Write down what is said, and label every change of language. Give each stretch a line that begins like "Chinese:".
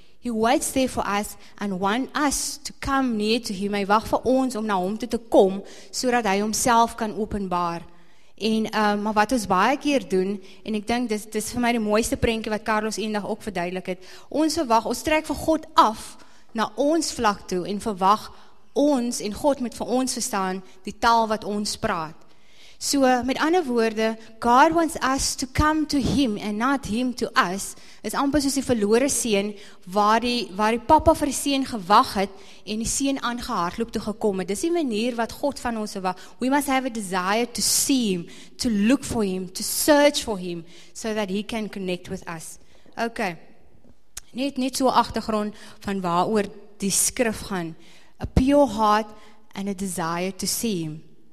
English: He waits there for us and want us to come near to him.
Afrikaans: Hy wag vir ons om na hom toe te kom, sodat hy homself kan openbaar. En, maar wat ons baie keer doen, en ek dink, dis vir my die mooiste prentjie wat Carlos eendag ook verduidelik het, ons verwag, ons trek vir God af na ons vlak toe, en verwag ons en God moet vir ons verstaan die taal wat ons praat. So, met ander woorde,
English: God wants us to come to him and not him to us,
Afrikaans: is amper soos die verlore seun waar die papa vir die seun gewag het en die seun aangehardloop toe gekom het. Dis die manier wat God van ons wil.
English: We must have a desire to see him, to look for him, to search for him, so that he can connect with us.
Afrikaans: Okay, net so agtergrond van waaroor die skrif gaan.
English: A pure heart and a desire to see him.